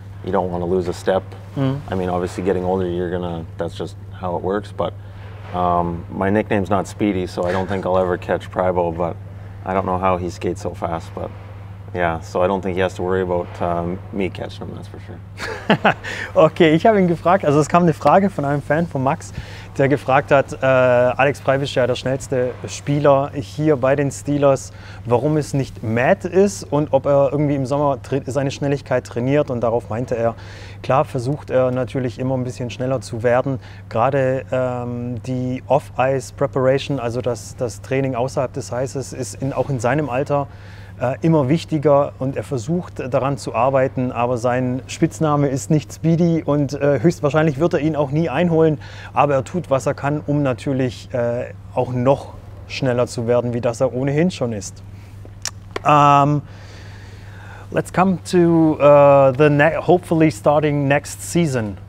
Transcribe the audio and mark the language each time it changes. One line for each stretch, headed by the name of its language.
English: You don't want to lose a step. Mm. I mean, obviously, getting older, you're gonna. That's just how it works. But my nickname's not Speedy, so I don't think I'll ever catch Pribo. But I don't know how he skates so fast, but yeah, so I don't think he has to worry about me catching him, that's for sure.
German: Okay, ich habe ihn gefragt, also es kam eine Frage von einem Fan von Max, der gefragt hat, Alex Pribo ist ja der schnellste Spieler hier bei den Steelers, warum es nicht Matt ist und ob er irgendwie im Sommer seine Schnelligkeit trainiert. Und darauf meinte er, klar versucht er natürlich immer ein bisschen schneller zu werden. Gerade die Off-Ice-Preparation, also das Training außerhalb des Eises, ist auch in seinem Alter immer wichtiger und er versucht daran zu arbeiten, aber sein Spitzname ist nicht Speedy und höchstwahrscheinlich wird er ihn auch nie einholen, aber er tut, was er kann, um natürlich auch noch schneller zu werden, wie das er ohnehin schon ist.
English: Let's come to the hopefully starting next season.